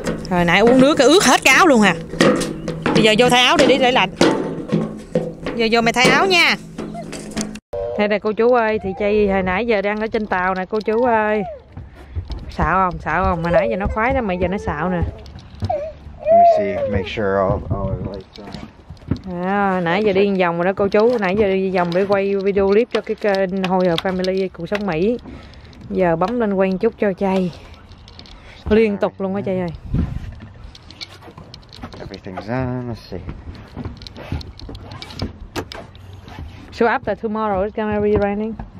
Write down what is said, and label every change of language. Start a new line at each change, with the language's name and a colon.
Vietnamese: Rồi nãy uống nước cái ướt hết cái áo luôn hả, bây giờ vô thay áo đi, đi để lạnh, giờ vô mày thay áo nha. Đây nè cô chú ơi, thì chay hồi nãy giờ đang ở trên tàu nè cô chú ơi, xạo không, xạo không, hồi nãy giờ nó khoái lắm mà giờ nó xạo nè.
English: Let me see, make sure all lights are on.
Vietnamese: Nãy giờ đi vòng rồi đó cô chú, nãy giờ đi vòng để quay video clip cho cái kênh Hồi Hợp Family Cuộc Sống Mỹ. Giờ bấm lên quay chút cho chay. Liên tục luôn á chay ơi.
English: Everything's on, let's see. So after tomorrow it's gonna be raining?